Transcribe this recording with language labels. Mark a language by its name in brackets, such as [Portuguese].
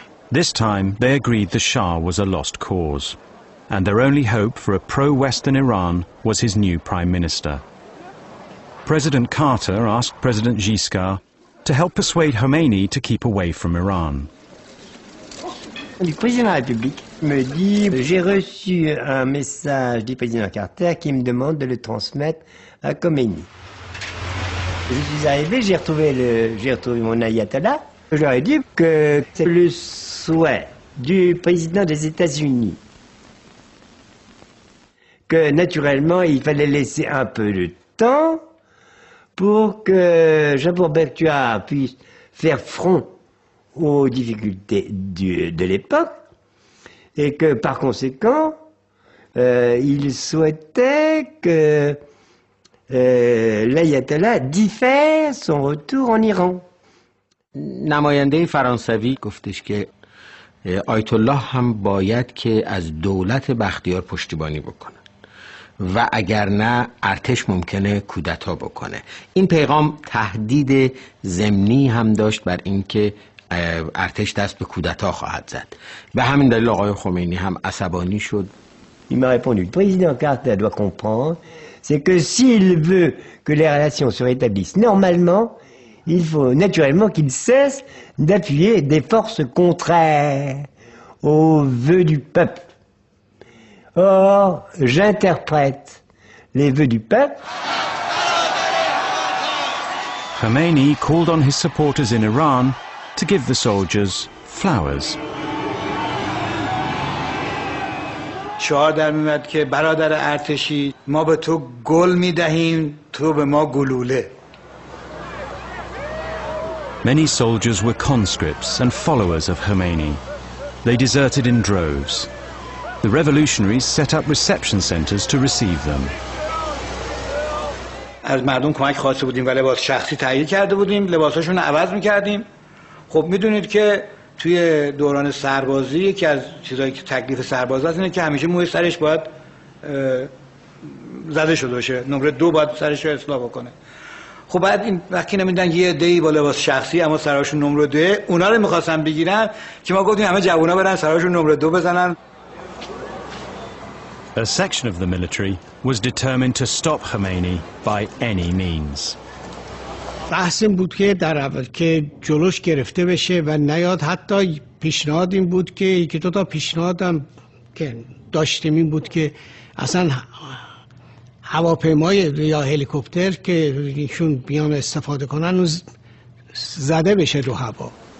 [English] This time, they agreed the Shah was a lost cause, and their only hope for a pro-Western Iran was his new prime minister. President Carter asked President Giscard to help persuade Khomeini to keep away from Iran. [French] Le président de la République me dit, j'ai reçu un message du président Carter qui me demande de le transmettre à Khomeini. Je suis arrivé, j'ai retrouvé mon ayatollah. Je leur ai dit que c'est le souhait du président des États-Unis. Que naturellement, il fallait laisser un peu de temps pour que Shapur Bakhtiar puisse faire front aux difficultés de l'époque. Et que par conséquent, il souhaitait que l'ayatollah diffère son retour en Iran. [Persian] نماینده فرانسوی گفتش که آیت الله هم باید که از دولت بختیار پشتیبانی بکنه و اگر نه ارتش ممکنه کودتا بکنه. این پیغام تهدید ضمنی هم داشت بر اینکه ارتش دست به کودتا خواهد زد. به همین دلیل آقای خمینی هم عصبانی شد. [French] Il m'a répondu, le président Carter doit comprendre, c'est que s'il veut que les relations se rétablissent normalement, il faut naturellement qu'il cesse d'appuyer des forces contraires aux vœux du peuple. Or, j'interprète les vœux du peuple. [English] Khomeini called on his supporters in Iran to give the soldiers flowers. [Persian] شعار در میمد که برادر ارتشی ما به تو گل میدهیم تو به ما گلوله. [English] Many soldiers were conscripts and followers of Khomeini. They deserted in droves. The revolutionaries set up reception centers to receive them. [Persian] از مردم کمک خواسته بودیم و لباس شخصی تهیه کرده بودیم، لباساشون رو عوض میکردیم. خب میدونید که توی دوران سربازی یکی از چیزایی که تکلیف سرباز هست اینه که همیشه موی سرش باید زده شده باشه، نمره دو باید سرش رو اصلاح بکنه. خب بعد این وقتی نمیدن یه عده‌ای با لباس شخصی اما سرهاشون نمره دو، اونا رو میخواستن بگیرن که ما گفتیم همه جوونا برن سرهاشون نمره دو بزنن. [English] A section of the military was determined to stop Khomeini by any means. [Persian] بحث این بود که در اول که جلوش گرفته بشه و نیاد، حتی پیشنهاد این بود که یکی دو تا پیشنهاد هم که داشتیم این بود که اصلا هواپیمای یا هلیکوپتر که ایشون بیان استفاده کنن و زده بشه رو هوا.